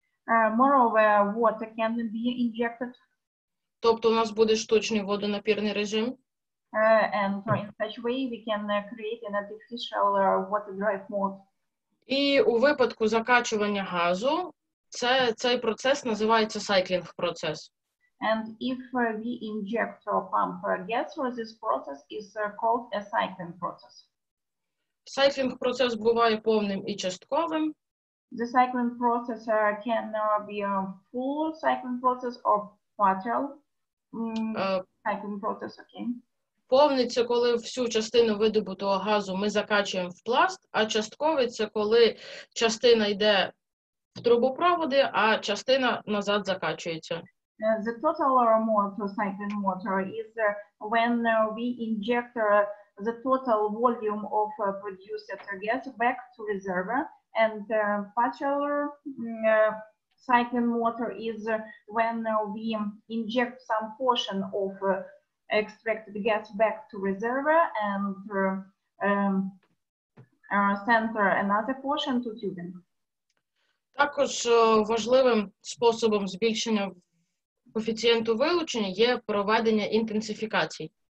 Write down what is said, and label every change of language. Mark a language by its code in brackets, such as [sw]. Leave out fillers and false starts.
[en] Moreover, water can be injected. [uk] Тобто у нас буде штучний водонапірний режим. [en] And in such way we can create an artificial water drive mode. [uk] І у випадку закачування газу цей процес називається cycling процес. [en] And if we inject or pump gas, this process is called a cycling process. [uk] Cycling процес буває повним і частковим. [en] The cycling process can be a full cycling process or partial cycling process, okay? [uk] Повниться, коли всю частину видобутого газу ми закачуємо в пласт, а частковий – це коли частина йде в трубопроводи, а частина назад закачується. [en] The total or amount of recycling water is when we inject the total volume of produced gas back to reservoir, and partial recycling water is when we inject some portion of extracted gas back to reservoir and send another portion to tubing. [uk] Також важливим способом збільшення коефіцієнту вилучення є проведення інтенсифікацій.